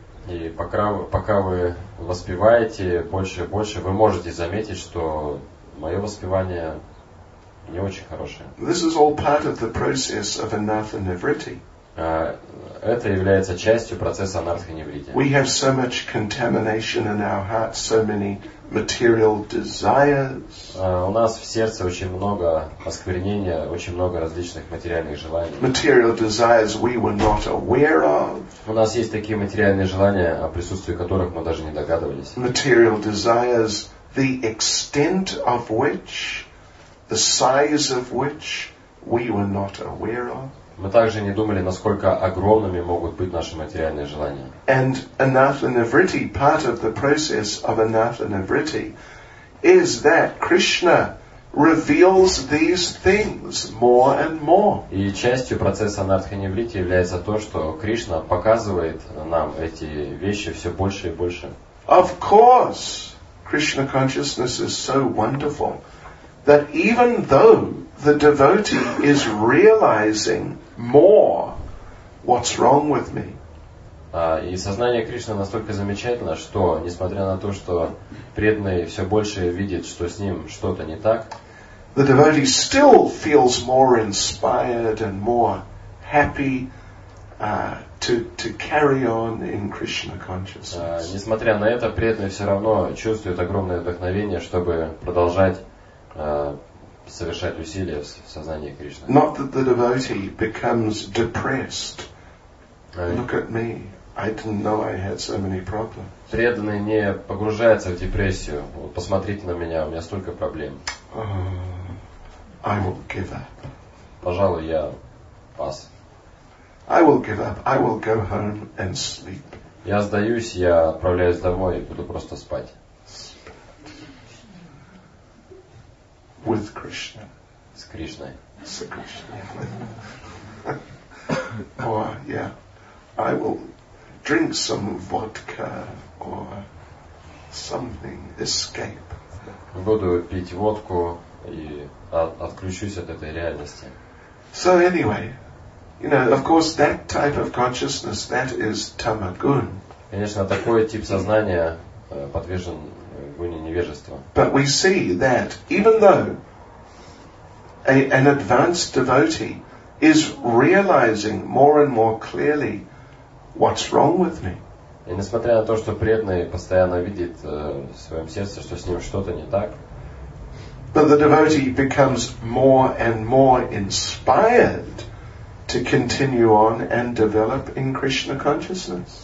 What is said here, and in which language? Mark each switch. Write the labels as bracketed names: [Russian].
[Russian] И пока вы воспеваете больше и больше, вы можете заметить, что мое воспевание не очень хорошее. [English] This is all part of the process of anartha nivritti. [Russian] Это является частью процесса анартха нивритти. [English] We have so much contamination in our hearts, so many material desires. [Russian] У нас в сердце очень много осквернения, очень много различных материальных желаний. [English] Material desires we were not aware of. [Russian] У нас есть такие материальные желания, о присутствии которых мы даже не догадывались. [English] Material desires, the extent of which, the size of which we were not aware of. [Russian] Мы также не думали, насколько огромными могут быть наши материальные желания. [English] And anartha nivritti, part of the process of anartha nivritti, is that Krishna reveals these things more and more. [Russian] И частью процесса анартха нивритти является то, что Кришна показывает нам эти вещи все больше и больше. [English] Of course, Krishna consciousness is so wonderful that even though the devotee is realizing more what's wrong with me. [Russian] И сознание Кришны настолько замечательно, что несмотря на то, что преданный все больше видит, что с ним что-то не так, [English] the devotee still feels more inspired and more happy to carry on in Krishna consciousness. [Russian] Несмотря на это, преданный все равно чувствует огромное вдохновение, чтобы продолжать совершать усилия в сознании Кришны. [English] Not that the devotee becomes depressed. Look at me. I didn't know I had so many problems. [Russian] Преданный не погружается в депрессию. Вот посмотрите на меня, у меня столько проблем. [English] I will give up. [Russian] Пожалуй, я пас. [English] I will give up. I will go home and sleep. [Russian] Я сдаюсь, я отправляюсь домой и буду просто спать. [English] With Krishna. [Russian] С Кришной. С Кришной. [English] Or, yeah, I will drink some vodka or something, escape. [Russian] Буду пить водку и отключусь от этой реальности. [English] So anyway, you know, of course, that type of consciousness, that is tamagun. [Russian] Конечно, такой тип сознания подвержен гуне невежества. [English] But we see that even though an advanced devotee is realizing more and more clearly what's wrong with me. [Russian] И несмотря на то, что преданный постоянно видит в своем сердце, что с ним что-то не так, [English] but the devotee becomes more and more inspired to continue on and develop in Krishna consciousness.